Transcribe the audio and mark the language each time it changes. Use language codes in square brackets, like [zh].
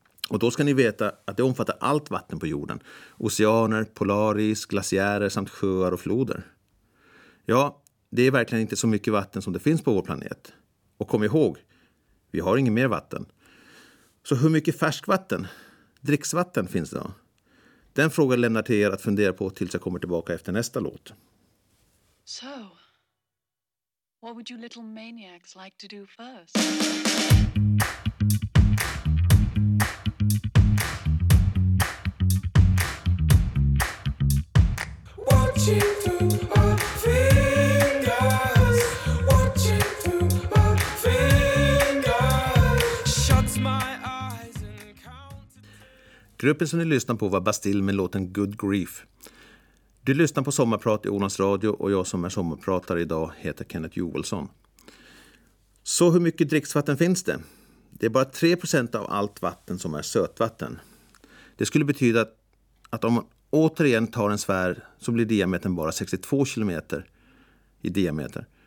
[sv] Och då ska ni veta att det omfattar allt vatten på jorden. Oceaner, polaris, glaciärer samt sjöar och floder. Ja, det är verkligen inte så mycket vatten som det finns på vår planet. Och kom ihåg, vi har inget mer vatten. Så hur mycket färskvatten, dricksvatten, finns det då? Den frågan lämnar till er att fundera på tills jag kommer tillbaka efter nästa låt. [en] So, what would you little maniacs like to do first? Watching through my fingers, watching through my fingers, shuts my eyes and counts. [sv] Gruppen som ni lyssnar på var Bastille med låten Good Grief. Du lyssnar på Sommarprat i Ålands Radio och jag som är sommarpratare idag heter Kenneth Joelsson. Så hur mycket dricksvatten finns det? Det är bara 3% av allt vatten som är sötvatten. Det skulle betyda att om man återigen tar en sfär så blir diametern bara 62 km i diameter.